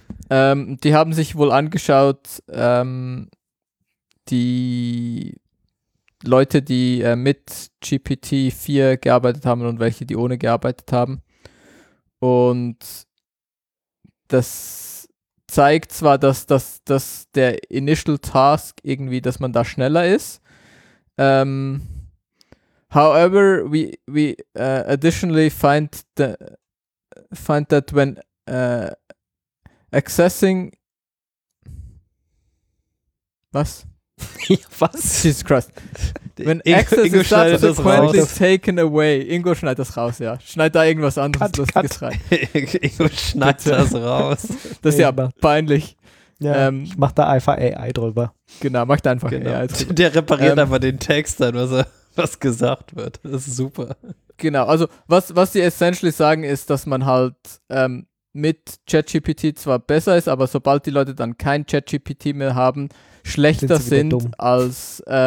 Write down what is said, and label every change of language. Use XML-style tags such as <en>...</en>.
<de>Die haben sich wohl angeschaut, die Leute, die mit GPT-4 gearbeitet haben und welche, die ohne gearbeitet haben. Und das zeigt zwar, dass der Initial Task irgendwie, dass man da schneller ist.</de> <en>However, we additionally find that when accessing.</en> <de>Was? Was?</de> <en>Jesus Christ. When access is subsequently taken away.</en> <de>Ingo schneidet das raus, ja. Schneid da irgendwas anderes lustiges rein. Ingo schneidet das raus. Das ist ja peinlich. Ja, ich mach da einfach AI drüber. Genau, mach da einfach AI drüber. Der repariert einfach den Text dann, was gesagt wird. Das ist super. Genau, also was sie essentially sagen, ist, dass man halt mit ChatGPT zwar besser ist, aber sobald die Leute dann kein ChatGPT mehr haben, schlechter sind als</de>